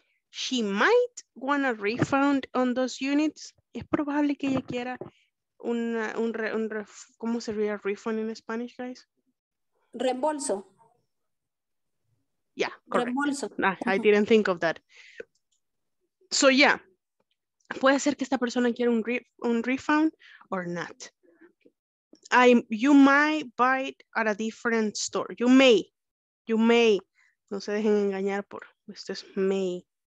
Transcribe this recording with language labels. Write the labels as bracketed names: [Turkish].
[English] She might want a refund on those units. [Spanish] Es probable que ella quiera ¿cómo sería refund en Spanish, guys? Reembolso. [English] Yeah, correct. Reembolso. I didn't think of that. So yeah, [Spanish] puede ser que esta persona quiera un [English] refund or not. You might buy it at a different store. You may. [Spanish] No se dejen engañar por, esto es may.